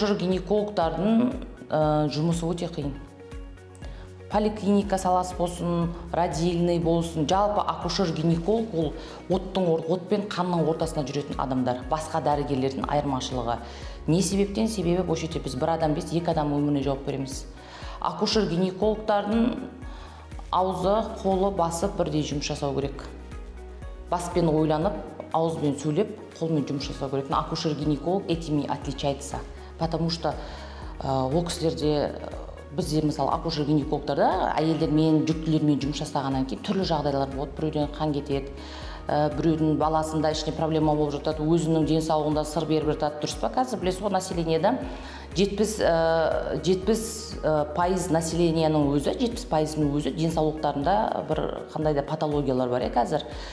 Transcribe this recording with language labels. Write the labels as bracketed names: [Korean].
[Kazakh] Акушер-гинекологтардың жұмысы өте қиын. Поликлиника саласы болсын, родильный болсын, жалпы акушер-гинеколог ол от пен қанның ортасына жүретін адамдар, басқа дәрігерлердің айырмашылығы. Не себептен? Себебі бұл жерде біз бір адам емес, екі адам өміріне жауап береміз. Акушер-гинекологтардың аузы, қолы, басы бірдей жұмыс жасау керек. Баспен ойланып, ауызбен сөйлеп, қолмен жұмыс жасау керек. [Russian] Акушер-гинеколог этими отличается. Потому что [Kazakh] ол кісілерде бізде мысалы акушер-гинекологтарда әйелдер мен жүктілермен жұмыс жасағаннан кейін түрлі жағдайлар болады. Біреуден қан кетеді, біреудің баласында ішіне проблема болып жатады, өзінің денсаулығында сыр беріп жатады. Дұрыс па? Қазір білесіз ғой, населениеда 70% населениенің өзі денсаулықтарында бір қандай да патологиялар бар. Қазір